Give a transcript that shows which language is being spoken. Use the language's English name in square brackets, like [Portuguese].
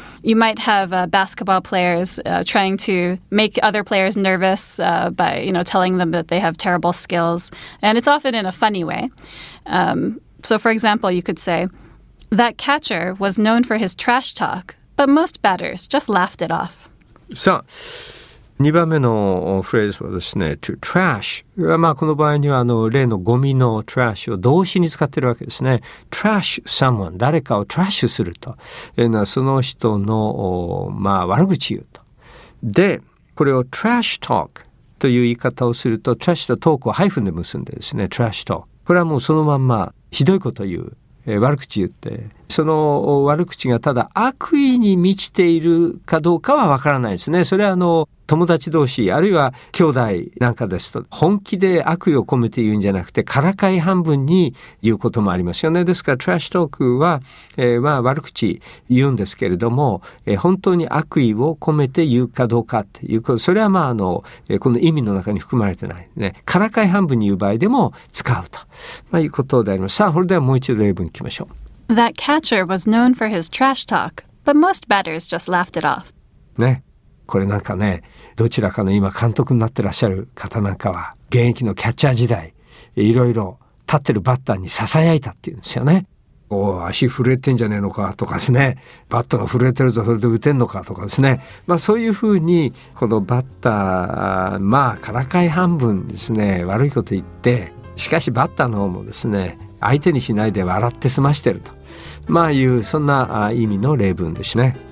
[English] You might have、basketball players、trying to make other players nervous、by, you know, telling them that they have terrible skills. And it's often in a funny way.、so, for example, you could say, that catcher was known for his trash talk, but most batters just laughed it off. [Japanese] So... 2番目のフレーズはですね、to trash。まあこの場合にはあの例のゴミの trash を動詞に使ってるわけですね。 trash someone、 誰かを trash するというのはその人の、まあ、悪口言うと。でこれを trash talk という言い方をすると、 trash と talk をハイフンで結んでですね、 trash talk、 これはもうそのまんまひどいこと言う、悪口言って、その悪口がただ悪意に満ちているかどうかはわからないですね。それはあの友達同士あるいは兄弟なんかですと、本気で悪意を込めて言うんじゃなくて、からかい半分に言うこともありますよね。ですからトラッシュトークは、まあ悪口言うんですけれども、本当に悪意を込めて言うかどうかっていうこと、それはまああの、この意味の中に含まれてないね。からかい半分に言う場合でも使うと、まあ、いうことであります。さあ、これではもう一度例文いきましょう。 [English] That catcher was known for his trash talk, but most batters just laughed it off. [Japanese] ね、これなんかね、どちらかの今監督になってらっしゃる方なんかは、現役のキャッチャー時代、いろいろ立ってるバッターに囁いたっていうんですよね。おお、足震えてんじゃねえのかとかですね、バットが震えてるぞ、それで打てんのかとかですね、まあそういうふうにこのバッター、まあからかい半分ですね、悪いこと言って、しかしバッターの方もですね、相手にしないで笑って済ましてると、まあいう、そんな意味の例文ですね。